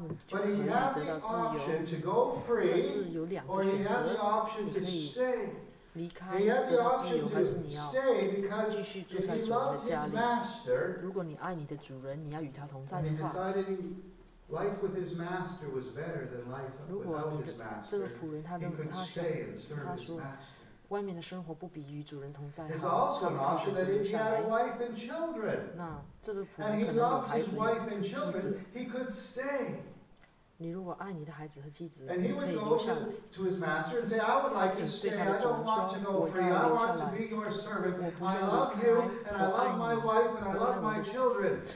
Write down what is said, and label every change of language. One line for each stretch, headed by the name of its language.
English: But he had the option to go free, or he had the option to stay. He had the option to stay because if he loved his master, and he decided life with his master was better than life without his master, he could stay and serve his master.
Chinese: 外面的生活不比与主人同在好。
English: It's also an option that if he had a wife and children,
Chinese: 那这个仆人可能有孩子、妻子。
English: And he loved his wife and children, he could stay. And he would go to his master and say, I would like to stay. I don't want to go free. I want to be your servant. I love you, and I love my wife, and I love my children.